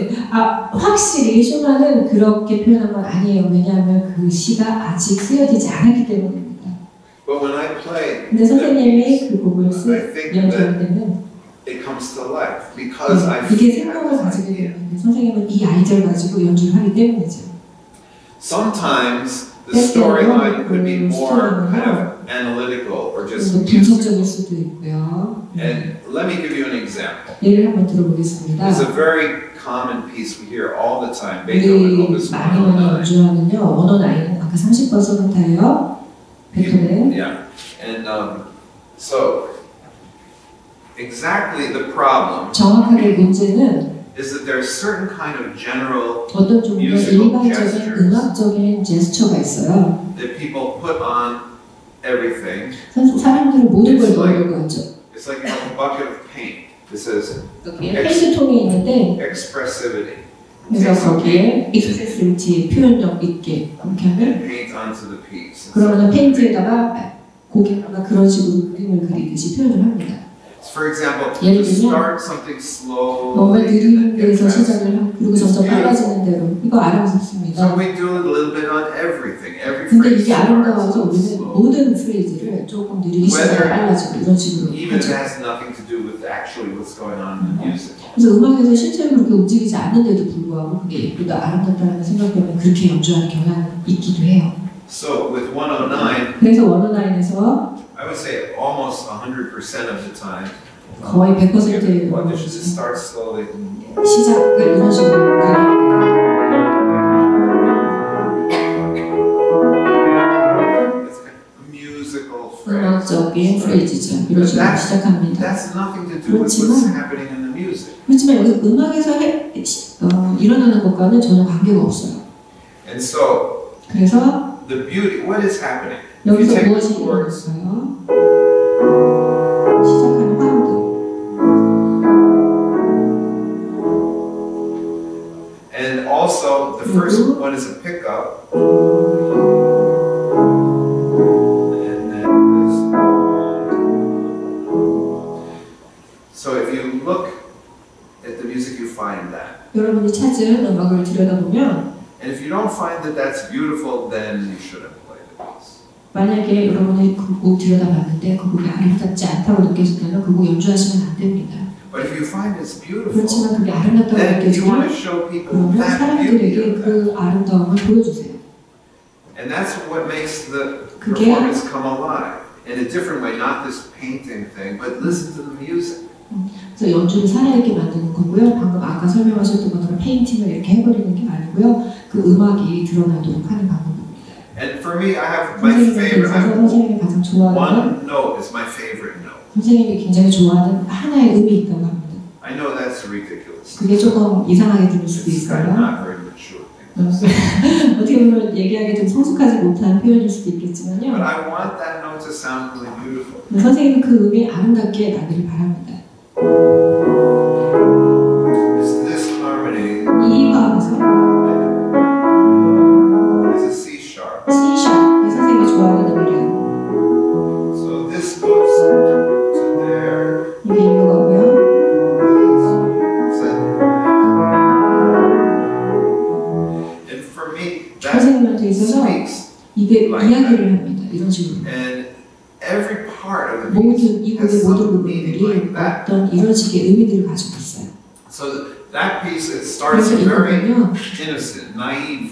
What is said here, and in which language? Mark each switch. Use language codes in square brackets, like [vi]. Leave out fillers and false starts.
[ko] 아, 확실히 쇼만은 그렇게 표현한 건 아니에요. 왜냐하면 그 시가 아직 쓰여지지 않았기 때문입니다. [en] But when I play, [ko] 근데 선생님이 그 곡을 연주할 때는 [en] it comes to life because [ko] 이게 생각을 가지고 있는데 선생님은 이 아이디어를 가지고 연주를 하기 때문이죠. [en] Sometimes the storyline could be more kind of analytical or just [ko] conceptual 수도 있고요. [en] And let me give you an example. [ko] 예를 한번 들어보겠습니다. [en] It's a very common piece we hear all the time. Beethoven Opus 109. [ko] 많이 연주하는요. 언어 나이는 아까 30번 써놓다예요. 베토벤. [en] Yeah. And so exactly the problem. [ko] 정확하게 문제는 [en] is that there are certain kind of general [ko] 어떤 종류의 일반적인 음악적인 제스처가 있어요. [en] That people put on everything. [ko] 사람들은 모든 걸 넣으려고 하죠. [en] It's like you have a bucket of paint. This is expressivity. [ko] 그래서 거기에 expressivity, 표현력 있게 [en] paint onto the piece. [ko] 그러면 페인트에다가 고객과 그런 식으로 그림을 그리듯이 표현을 합니다. [en] For example, to start something slow, [ko] 너무 느린 데서 시작을 하고 그리고 점점 빨라지는 대로 이거 아름답습니다. [en] So we do a little bit on everything, every [ko] 근데 이게 아름다워서 우리는 모든 프레이즈를 조금 느리기 시작을 빨라지고 이런 식으로 [en] even has nothing to do with actually what's going on in the music. [ko] 그래서 음악에서 실제로 그렇게 움직이지 않는데도 불구하고 그게 예쁘다 아름답다는 생각하면 그렇게 연주하는 경향이 있기도 해요. [en] So with 109 [ko] 그래서 109에서 [en] I would say almost 100% of the time [ko] 거의 100%의 [en] one should just start slowly [ko] 시작을 이런 식으로 [en] musical [ko] 음악적인 프레이즈죠 이런 식으로 시작합니다 [en] that's nothing to do with what's happening in the music [ko] 그렇지만 여기 음악에서 일어나는 것과는 전혀 관계가 없어요 [en] and so [ko] 그래서 [en] the beauty, what is happening? [ko] 여기서 무엇이 일어났어요? 시작하는 화음도 [en] And also, the first one is a pickup. And then this So if you look at the music, you find that. [ko] 여러분이 찾은 음악을 들여다보면 [en] And if you don't find that that's beautiful, then you shouldn't. [ko] 만약에 여러분이 그 곡 들여다봤는데 그 곡이 아름답지 않다고 느껴진다면 그 곡 연주하시면 안 됩니다. [en] But if you find it's beautiful, [ko] 그렇지만 그게 아름답다고 느껴지면 그러면 사람들에게 그 아름다움을 보여주세요. [en] And that's what makes the performance come alive in a different way, not this painting thing, but listen to the music. [ko] 그래서 연주를 살아있게 만드는 거고요. 방금 아까 설명하셨던 것처럼 페인팅을 이렇게 해버리는 게 아니고요. 그 음악이 드러나도록 하는 방법. [en] And for me, I have my favorite note. One note is my favorite note. [ko] 선생님이 굉장히 좋아하는 하나의 음이 있다고 합니다. [en] I know that's ridiculous. [ko] 그게 조금 이상하게 들릴 수도 있어요. [en] It's kind of not very mature. [ko] 어떻게 보면 얘기하기 좀 성숙하지 못한 표현일 수도 있겠지만요. [en] But I want that note to sound really beautiful. [ko] 선생님은 그 음이 아름답게 나기를 바랍니다. [en] Is this harmony? [ko] 이 음에서 [en] is a C sharp. C sharp. [ko] 이 선생님이 좋아하는 음이래요. [en] So this goes to there. [ko] 이게 이거고요. [en] Speaks [ko] 이게 이야기를 합니다. 이런 식으로. [en] And every part of the [ko] 모든 이 곡의 모든 부분들이 어떤 이런 식의 의미들을 가지고 있어요. [en] So that piece it starts very innocent, naive.